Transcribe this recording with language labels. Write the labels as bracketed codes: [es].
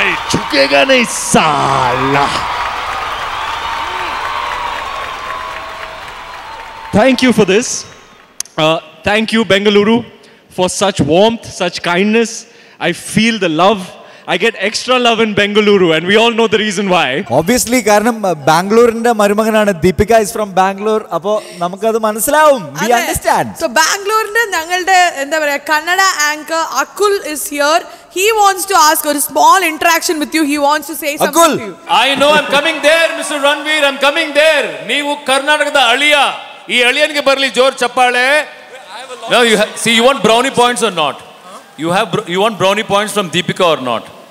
[hi] झुकेगा नहीं साला. [en] Thank you for this. Thank you, Bengaluru, for such warmth, such kindness. I feel the love. I get extra love in Bengaluru, and we all know the reason why. [ml] Obviously, കാരണം ബാംഗ്ലൂരിന്റെ മരുമകനാണ് Deepika. [en] Is from Bangalore. [ml] അപ്പോ നമുക്ക് അത് മനസ്സിലാവും. [en] We understand. [ml] So, ബാംഗ്ലൂരിന്റെ ഞങ്ങളുടെ എന്താ പറയാ Kannada anchor അക്കുൽ is here. [en] He wants to ask a small interaction with you. He wants to say something Akul. To you. I know, I'm coming there, Mr. [kn] Ranveer. [en] I'm coming there. [kn] Neevu Karnataka aliya. Ee aliyanige barli jor chappale. [en] Now you see, you want brownie points or not? You want brownie points from Deepika or not?